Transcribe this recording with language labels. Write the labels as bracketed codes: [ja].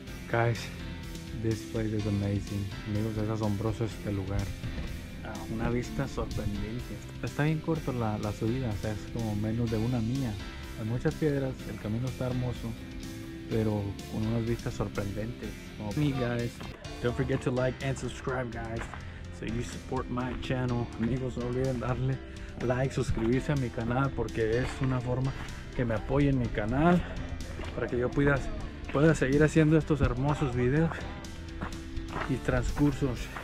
[en] Guys, this place is amazing. [es] Amigos, es asombroso este lugar. Una vista sorprendente. Está bien corto la subida, o sea, es como menos de una milla. Hay muchas piedras, el camino está hermoso, pero con unas vistas sorprendentes. [en] Me guys, don't forget to like and subscribe, guys, so you support my channel. [es] Amigos, no olviden darle like, suscribirse a mi canal, porque es una forma que me apoyen mi canal para que yo pueda seguir haciendo estos hermosos videos y transcursos.